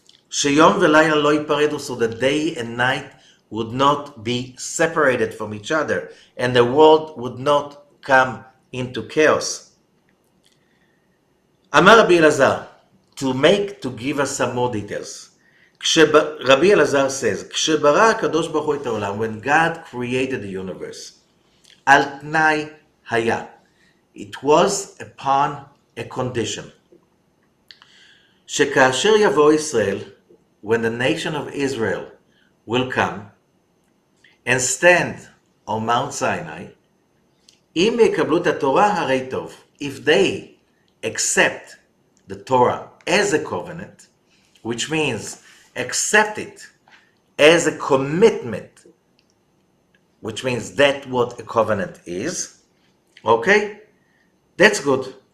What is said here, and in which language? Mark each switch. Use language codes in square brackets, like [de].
[he] שיום ולילה לא ייפרדו, [en] so the day and night would not be separated from each other, and the world would not come into chaos. [he] אמר רבי אלעזר, [en] to give us some more details. [he] רבי אלעזר says, כשברא הקדוש ברוך הוא את העולם, [en] when God created the universe, [he] על תנאי היה. [en] It was upon a condition. [he] שכאשר יבוא ישראל, [en] when the nation of Israel will come and stand on Mount Sinai, [he] אם יקבלו את התורה, הרי טוב. [en] If they accept the Torah as a covenant, which means accept it as a commitment, which means that what a covenant is, okay? That's good.